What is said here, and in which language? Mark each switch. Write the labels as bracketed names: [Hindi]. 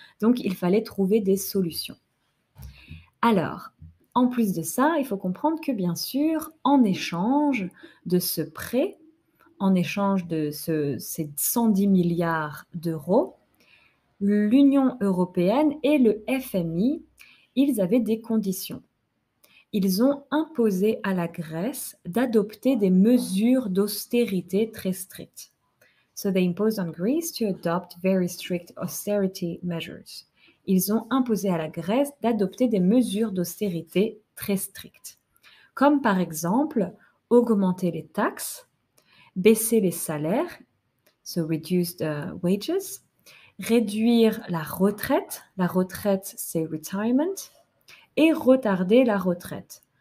[French] Donc, il fallait trouver des solutions. Alors, en plus de ça, il faut comprendre que, bien sûr, en échange de ce prêt, en échange de ces 110 milliards d'euros, l'Union européenne et le FMI, ils avaient des conditions. Ils ont imposé à la Grèce d'adopter des mesures d'austérité très strictes. [English] So they imposed on Greece to adopt very strict austerity measures. [French] Ils ont imposé à la Grèce d'adopter des mesures d'austérité très strictes. Comme par exemple, augmenter les taxes, baisser les salaires, [English] so reduce the wages, [French] réduire la retraite c'est retirement, et retarder la retraite.